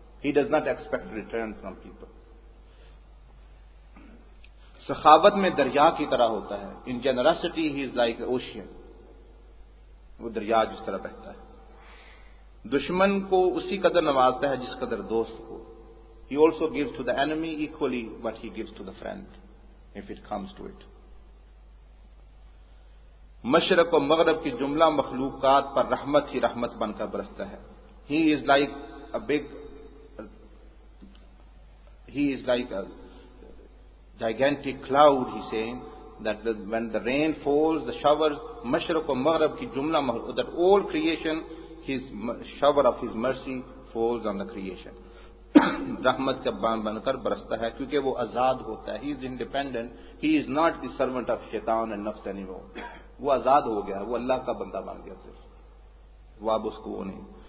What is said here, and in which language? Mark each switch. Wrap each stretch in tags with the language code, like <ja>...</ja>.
<en>He does not expect return from people.</en> <ur>سخاوت میں دریا کی طرح ہوتا ہے,</ur> <en>in generosity he is like ocean,</en> <ur>وہ دریا جس طرح بہتا ہے. دشمن کو اسی قدر نوازتا ہے جس قدر دوست کو.</ur> <en>He also gives to the enemy equally what he gives to the friend if it comes to it.</en> <ur>مشرق و مغرب کی جملہ مخلوقات پر رحمت ہی رحمت بن کر برستا ہے.</ur> <en>he is like a gigantic cloud, he seeing that when the rain falls the showers,</en> <ur>مشرق و مغرب کی جملہ مخلوقات,</ur> <en>that all creation, his shower of his mercy falls on the creation,</en> <ur>رحمت کا بان بن کر برستا ہے کیونکہ وہ آزاد ہوتا ہے.</ur> <en>he is independent, he is not the servant of شیطان and نفس any more,</en> <ur>وہ آزاد ہو گیا ہے, وہ اللہ کا بندہ بن گیا صرف, وہ اب اس کو وہ نہیں.</ur>